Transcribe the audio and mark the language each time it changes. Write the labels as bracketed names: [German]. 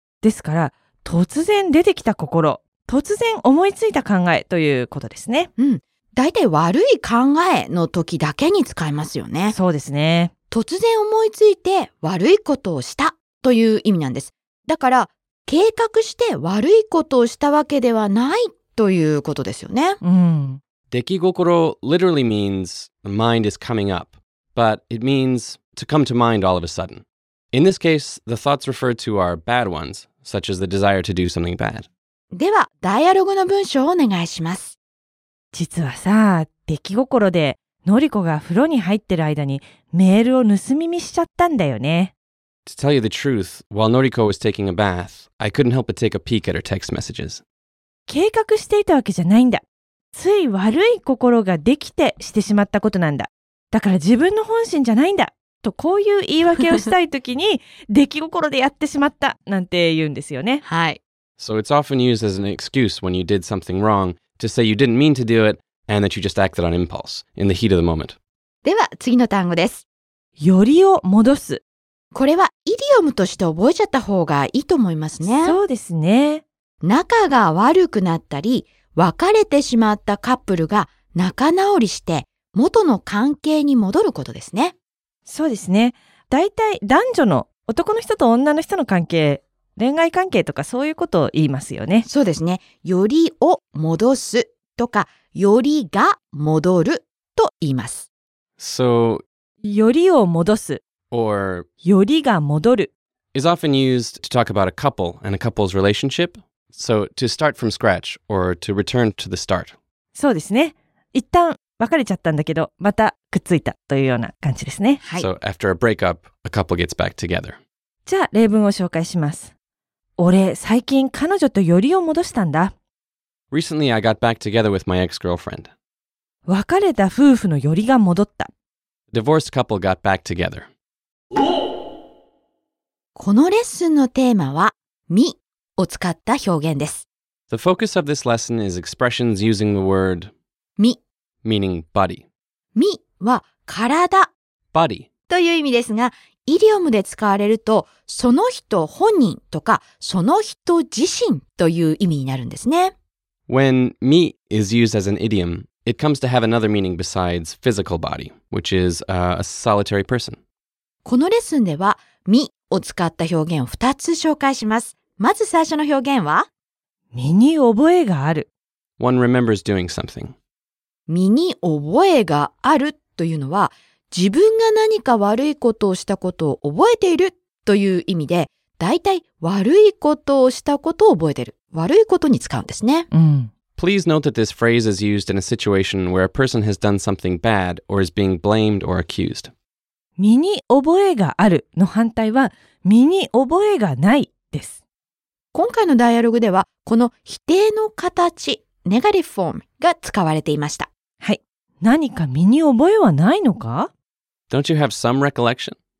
[Japanese] ですから、突然出てきた心、突然思いついた考えということですね。うん、大体悪い考えの時だけに使いますよね。そうですね。突然思いついて悪いことをしたという意味なんです。だから計画して悪いことをしたわけではないということですよね。うん。 [English] 出来心 literally means the mind is coming up, but it means to come to mind all of a sudden. In this case, the thoughts referred to are bad ones, such as the desire to do something bad. [Japanese] では、ダイアログの文章をお願いします。実はさ、出来心でのりこが風呂に入ってる間にメールを盗み見しちゃったんだよね。 [English] To tell you the truth, while Noriko was taking a bath, I couldn't help but take a peek at her text messages. [Japanese] 計画していたわけじゃないんだ。つい悪い心ができてしてしまったことなんだ。だから自分の本心じゃないんだ。とこういう言い訳をしたいときに出来心でやってしまったなんて言うんですよね。はい。 [English] So it's often used as an excuse when you did something wrong. To say you didn't mean to do it, and that you just acted on impulse, in the heat of the moment. [Japanese] では、次の単語です。よりを戻す。これは、イディオムとして覚えちゃった方がいいと思いますね。そうですね。仲が悪くなったり、別れてしまったカップルが仲直りして、元の関係に戻ることですね。そうですね。だいたい男女の、男の人と女の人の関係、恋愛関係とかそういうことを言いますよね。そうですね。よりを戻すとか、よりが戻ると言います。 [English] So, [Japanese] よりを戻す。 [English] or, [Japanese] よりが戻る。 [English] is often used to talk about a couple and a couple's relationship. So to start from scratch or to return to the start. [Japanese] そうですね。一旦別れちゃったんだけど、またくっついたというような感じですね。 [English] はい。So after a breakup, a couple gets back together. [Japanese] じゃあ例文を紹介します。俺、最近彼女とよりを戻したんだ。 [English] Recently, I got back together with my ex-girlfriend. [Japanese] 別れた夫婦のよりが戻った。 [English] Divorced couple got back together. [Japanese] このレッスンのテーマは、みを使った表現です。 [English] The focus of this lesson is expressions using the word [Japanese] み [English] meaning body. [Japanese] みは体 [English] body [Japanese] という意味ですが、イディオムで使われると、その人本人とか、その人自身という意味になるんですね。 [English] When me is used as an idiom, it comes to have another meaning besides physical body, which is a solitary person. [Japanese] このレッスンでは、みを使った表現を2つ紹介します。まず最初の表現は、身に覚えがある。 [English] One remembers doing something. [Japanese] 身に覚えがあるというのは、自分が何か悪いことをしたことを覚えているという意味で、だいたい悪いことをしたことを覚えている。悪いことに使うんですね。うん。 [English] Please note that this phrase is used in a situation where a person has done something bad or is being blamed or accused. [Japanese] 身に覚えがあるの反対は、身に覚えがないです。今回のダイアログでは、この否定の形、ネガティブフォームが使われていました。はい。何か身に覚えはないのか? [English] Don't you have some recollection?